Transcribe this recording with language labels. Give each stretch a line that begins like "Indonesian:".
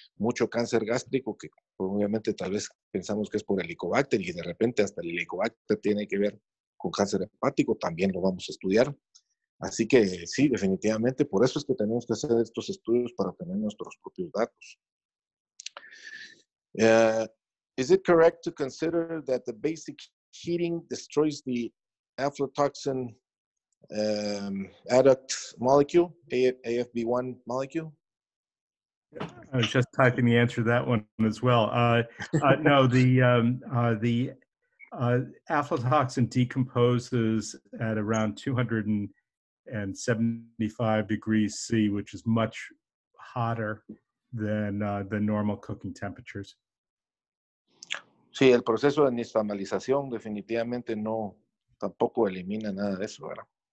Spanish: Mucho cáncer gástrico, que obviamente tal vez pensamos que es por Helicobacter, y de repente hasta el Helicobacter tiene que ver con cáncer hepático, también lo vamos a estudiar. Así que sí, definitivamente, por eso es que tenemos que hacer estos estudios para obtener nuestros propios datos.
English: Is it correct to consider that the basic heating destroys the aflatoxin adduct molecule, AFB1 molecule? I was just typing the answer to that one as well. No, the aflatoxin decomposes at around 275 degrees C, which is much hotter than the normal cooking temperatures.
Spanish: Sí, el proceso de nixtamalización definitivamente no, tampoco elimina nada de eso, ¿verdad?